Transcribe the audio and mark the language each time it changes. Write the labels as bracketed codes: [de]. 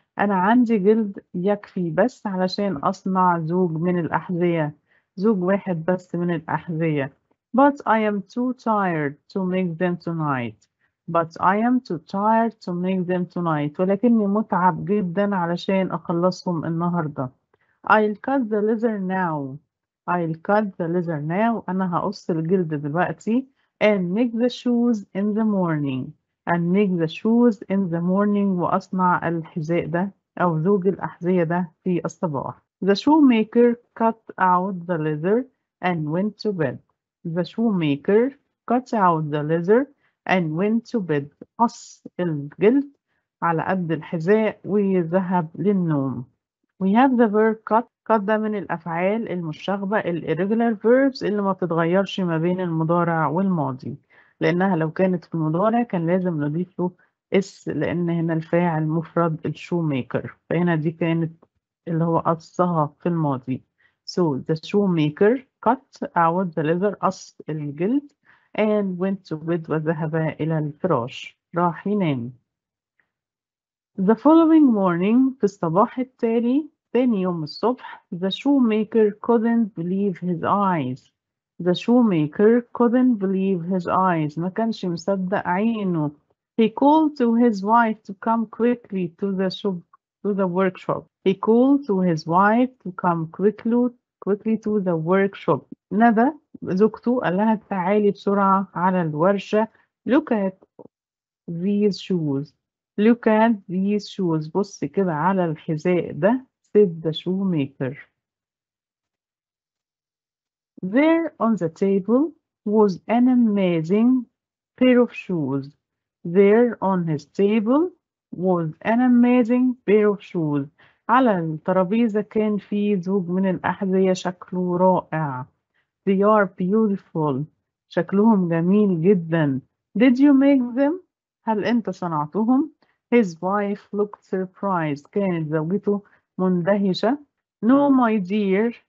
[ar] أنا عندي جلد يكفي بس علشان أصنع زوج من الأحذية. زوج واحد بس من الأحذية. [en] But I am too tired to make them tonight. But I am too tired to make them tonight. [ar] ولكني متعب جدا علشان أخلصهم النهاردة. [en] I'll cut the leather now. [ar] أنا هقص الجلد دلوقتي. [en] And make the shoes in the morning. And make the shoes in the morning. [ar] وأصنع الحذاء ده أو زوج الأحذية ده في الصباح. [en] The shoemaker cut out the leather and went to bed. The shoemaker cut out the leather and went to bed. [ar] قص الجلد على قد الحذاء وذهب للنوم. [en] We have the verb cut. [ar] Cut ده من الأفعال المشاغبة الirregular verbs اللي ما بتتغيرش ما بين المضارع والماضي. لأنها لو كانت في المضارع كان لازم نضيف له إس لأن هنا الفاعل مفرد الشوميكر. فهنا دي كانت اللي هو قصها في الماضي. [en] So the shoemaker cut out the leather, [ar] قص الجلد, [en] and went to bed, [ar] وذهب إلى الفراش, راح ينام. [en] The following morning, [ar] في الصباح التالي, ثاني يوم الصبح, [en] the shoemaker couldn't believe his eyes. The shoemaker couldn't believe his eyes. [ar] ما كانش مصدق عينه. [en] He called to his wife to come quickly to the shop, to the workshop. He called to his wife to come quickly to the workshop. [ar] ندى زوجته قال لها تعالي بسرعة على الورشة. [en] Look at these shoes. Look at these shoes. [ar] بص كده على الحذاء ده. [en] Said the shoemaker. There on the table was an amazing pair of shoes. There on his table was an amazing pair of shoes. [ar] على الترابيزة كان في زوج من الأحذية شكله رائع. [en] They are beautiful. [ar] شكلهم جميل جدا. [en] Did you make them? [ar] هل أنت صنعتهم؟ [en] His wife looked surprised. [ar] كانت زوجته مندهشة. [en] No, my dear.